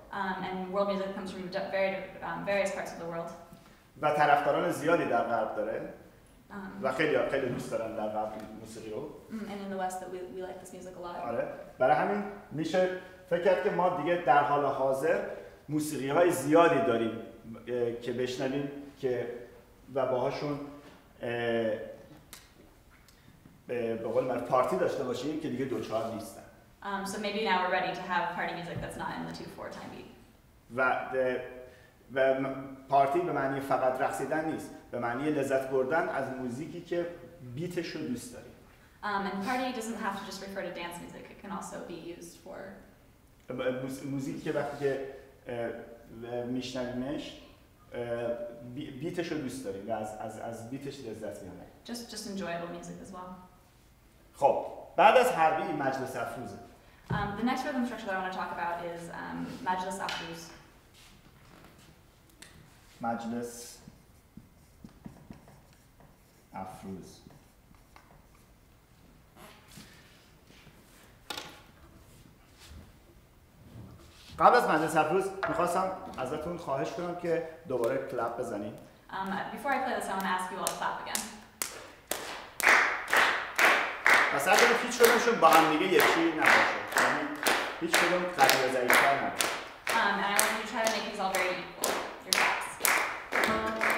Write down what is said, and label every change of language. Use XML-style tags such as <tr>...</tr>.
<en>And world music comes from various parts of the world.</en> <fa>و طرفداران زیادی در غرب داره. و خیلی دوست دارن در غرب موسیقی رو.</fa> <en>And in the West that we like this music a lot.</en> <fa>آره. برای همین میشه فکر کرد که ما دیگه در حال حاضر موسیقی های زیادی داریم که بشنویم که و باهاشون به قول من پارتی داشته باشیم که دیگه 2-4 نیستن.</fa> <en>So maybe now we're ready to have party music that's not in the 2-4 time beat.</en> <fa>و پارتی به معنی فقط رقصیدن نیست، به معنی لذت بردن از موزیکی که بیتش رو دوست داریم.</fa> <en>And party doesn't have to just refer to dance music. It can also be used for</en> <fa>موزیکی که وقتی که میشنویمش بیتش رو دوست داریم و از بیتش لذت میبریم.</fa> <en>Just enjoyable music as well.</en> <fa>خب بعد از حربی مجلس افروز.</fa> <en>The next rhythm structure that I want to talk about is مجلس افروز.</en> <fa>مجلس افروز. قبل از مجلس افروز میخواستم ازتون خواهش کنم که دوباره کلاپ بزنید.</fa> <en>Before I play this, I want to ask you all to clap again.</en> <fa>پس اگر هیچ کدومشون با هم دیگه یه چی نباشه. هیچ کدوم قدر و ضعیف تر نباشه.</fa> <en>And I want you to try to make these all very equal, your claps.</en>